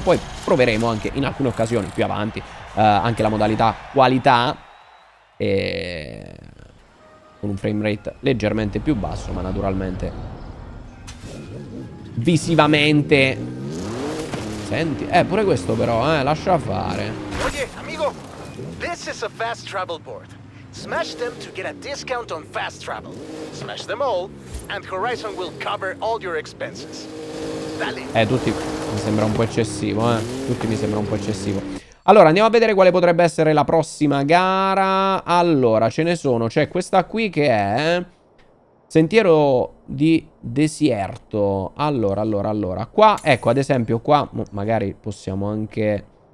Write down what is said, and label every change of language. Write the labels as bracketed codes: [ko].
[it] Poi proveremo anche in alcune occasioni più avanti anche la modalità qualità, e con un frame rate leggermente più basso, ma naturalmente visivamente. Senti, pure questo però, lascia fare. [es] Oye, amigo, [en] this is a fast travel board. Smash them to get a discount on fast travel. Smash them all and Horizon will cover all your expenses. [es] Dale. [it] Tutti mi sembra un po' eccessivo, Tutti mi sembra un po' eccessivo. Allora, andiamo a vedere quale potrebbe essere la prossima gara. Allora, ce ne sono. C'è questa qui che è Sentiero di Deserto. Allora. Qua, ecco, ad esempio, qua magari possiamo anche...